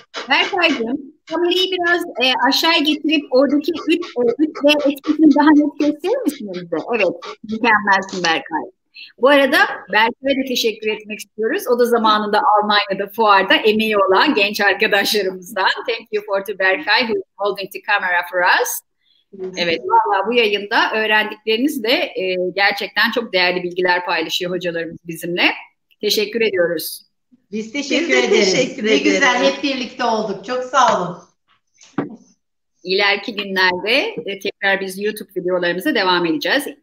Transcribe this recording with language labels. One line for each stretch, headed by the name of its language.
Turkish: Berk Aydın, kamerayı biraz aşağı getirip oradaki 3 ve etkisini daha net gösterir misiniz de? Evet, mükemmelsin Berk Aydın. Bu arada Berk'e de teşekkür etmek istiyoruz. O da zamanında Almanya'da fuarda emeği olan genç arkadaşlarımızdan.
English: Thank you for to Berkay who is holding the camera for us.
Turkish: Evet, vallahi bu yayında öğrendikleriniz de gerçekten çok değerli bilgiler paylaşıyor hocalarımız bizimle. Teşekkür ediyoruz. Biz teşekkür ederiz. Teşekkür ne güzel ederim. Hep birlikte olduk. Çok sağ olun. İleriki günlerde tekrar biz YouTube videolarımıza devam edeceğiz.